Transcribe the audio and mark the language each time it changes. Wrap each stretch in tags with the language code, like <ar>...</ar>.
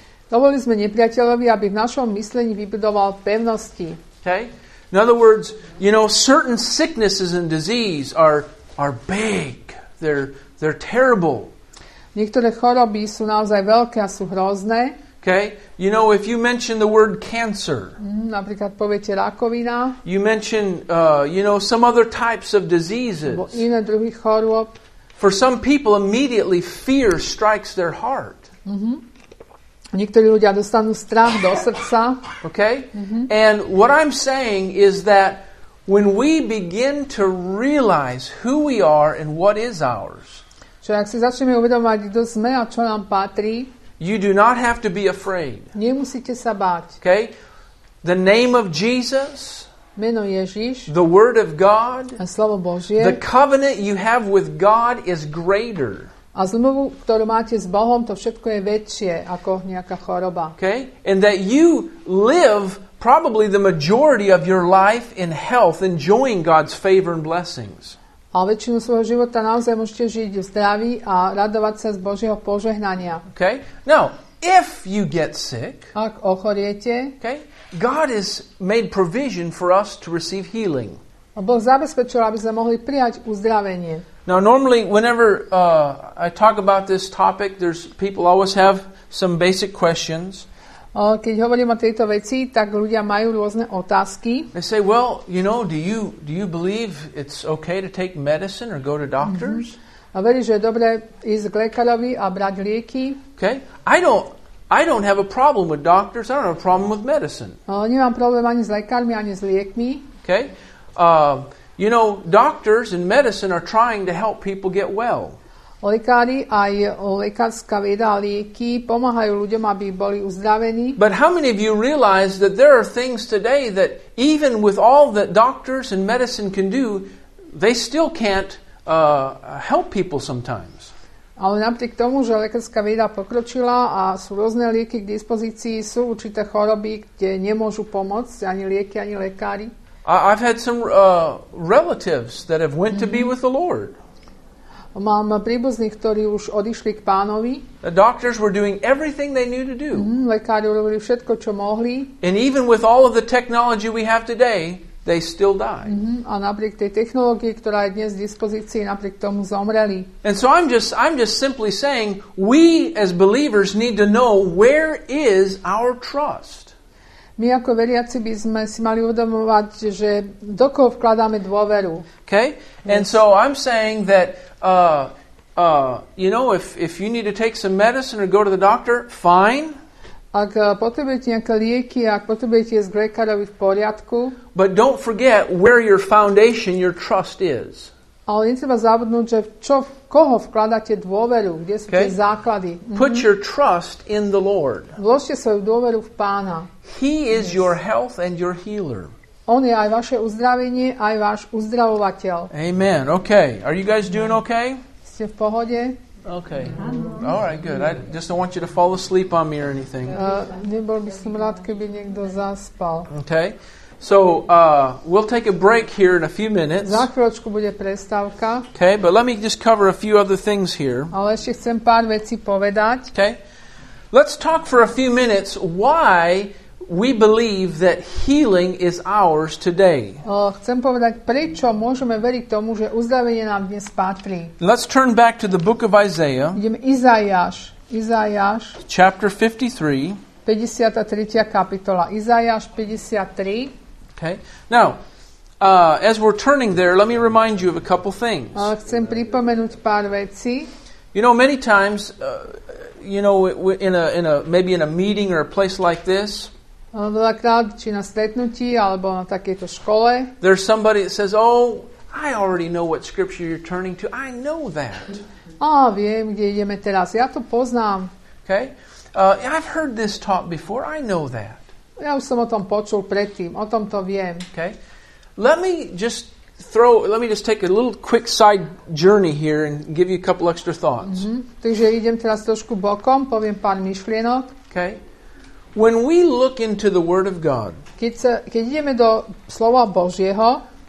<sk>Dovolili sme nepriateľovi, aby v našom myslení vybudoval pevnosti.</sk> <en>Okay? In other words, you know, certain sicknesses and disease are big. They're terrible.</en> <sk>Niektoré choroby sú naozaj veľké a sú hrozné.</sk> <en>Okay? You know, if you mention the word cancer,</en> <sk>napríklad poviete rakovina,</sk> <en>you mention, you know, some other types of diseases,</en> <sk>alebo iné druhy chorôb,</sk> <en>for some people, immediately fear strikes their heart.</en> <sk>Mm-hmm. Niektorí ľudia dostanú strach do srdca.</sk> <en>Okay? Mm-hmm. And what I'm saying is that when we begin to realize who we are and what is ours,</en> <sk>čo ak si začneme uvedomovať, kto sme a čo nám patrí,</sk> <en>you do not have to be afraid.</en> <sk>Nemusíte sa báť.</sk> <en>Okay? The name of Jesus,</en> <sk>meno Ježiš,</sk> <en>the word of God,</en> <sk>a slovo Božie,</sk> <en>the covenant you have with God is greater.</en> <sk>A zmluvu, ktorú máte s Bohom, to všetko je väčšie ako nejaká choroba.</sk> <en>Okay? And that you live probably the majority of your life in health, enjoying God's favor and blessings.</en> <sk>A väčšinu svojho života naozaj môžete žiť v zdraví a radovať sa z Božieho požehnania.</sk> <en>Okay? Now, if you get sick,</en> <sk>ak ochoriete,</sk> <en>okay? God has made provision for us to receive healing.</en> <sk>A Boh zabezpečil, aby sme mohli prijať uzdravenie.</sk> <en>Now, normally, whenever I talk about this topic, there's people always have some basic questions.</en> <sk>Keď hovorím o tejto veci, tak ľudia majú rôzne otázky.</sk> <en>They say, well, you know, do you believe it's okay to take medicine or go to doctors?</en> <sk>Mm-hmm. A verí, že je dobré ísť k lekárovi a brať lieky.</sk> <en>Okay. I don't have a problem with doctors. I don't have a problem with medicine.</en> <sk>Nemám problém ani s lekármi, ani s liekmi.</sk> <en>Okay. You know, doctors and medicine are trying to help people get well.</en> <sk>Lekári aj lekárska veda a lieky pomáhajú ľuďom, aby boli uzdravení.</sk> <en>But how many of you realize that there are things today that even with all that doctors and medicine can do, they still can't help people sometimes?</en> <sk>Ale napriek tomu, že lekárska veda pokročila a sú rôzne lieky k dispozícii, sú určité choroby, kde nemôžu pomôcť ani lieky, ani lekári.</sk> <en>I've had some relatives that have went to be with the Lord.</en> <sk>Mám príbuzných, ktorí už odišli k Pánovi.</sk> <en>The doctors were doing everything they knew to do.</en> <sk>Lekári robili všetko, čo mohli.</sk> <en>And even with all of the technology we have today, they still die.</en> <sk>A napriek tej technológii, ktorá je dnes v dispozícii, napriek tomu zomreli.</sk> <en>And so I'm just simply saying, we as believers need to know where is our trust.</en> <sk>My ako veriaci by sme si mali uvedomovať, že do koho vkladáme dôveru.</sk> <en>Okay? And so I'm saying that you know, if you need to take some medicine or go to the doctor, fine.</en> <sk>Ak potrebujete nejaké lieky, ak potrebujete ísť k lekárovi, v poriadku.</sk> <en>But don't forget where your foundation, your trust is.</en> <sk>Ale netreba zabudnúť, že v koho vkladáte dôveru, kde sú tie základy.</sk> <en>Put your trust in the Lord.</en> <sk>Vložte svoju dôveru v Pána.</sk> <en>He is your health and your healer.</en> <sk>On je aj vaše uzdravenie, aj váš uzdravovateľ.</sk> <en>Amen. Okay. Are you guys doing okay?</en> <sk>Ste v pohode?</sk> <en>Okay. All right, good. I just don't want you to fall asleep on me or anything.</en> <sk>Nebol by som rád, keby niekto zaspal.</sk> <en>Okay. So, we'll take a break here in a few minutes.</en> <sk>Za chvíľočku bude prestávka.</sk> <en>Okay, but let me just cover a few other things here.</en> <sk>Ale ešte chcem pár vecí povedať.</sk> <en>Okay. Let's talk for a few minutes why we believe that healing is ours today.</en> <sk>Chcem povedať, prečo môžeme veriť tomu, že uzdravenie nám dnes patrí.</sk> <en>Let's turn back to the book of Isaiah.</en> <sk>Ideme Izaiáš. Izaiáš.</sk> <en>Chapter 53.</en> <sk>53. kapitola. Izaiáš 53.</sk> <en>Okay. Now, as we're turning there, let me remind you of a couple things.</en> <sk>Chcem pripomenúť pár vecí.</sk> <en>You know, many times, you know, maybe in a meeting or a place like this,</en> <sk>veľakrát, či na stretnutí, alebo na takejto škole,</sk> <en>there's somebody that says, oh, I already know what scripture you're turning to. I know that.</en> <sk>Viem, kde ideme teraz. Ja to poznám.</sk> <en>Okay. I've heard this talk before. I know that.</en> <sk>Ja už som o tom počul predtým. O tom to viem.</sk> <en>Okay. Let me just take a little quick side journey here and give you a couple extra thoughts. Mm-hmm.</en> <sk>Takže idem teraz trošku bokom, poviem pár myšlienok.</sk> <en>Okay. When we look into the Word of God,</en> <sk>keď ideme do slova Božieho,</sk>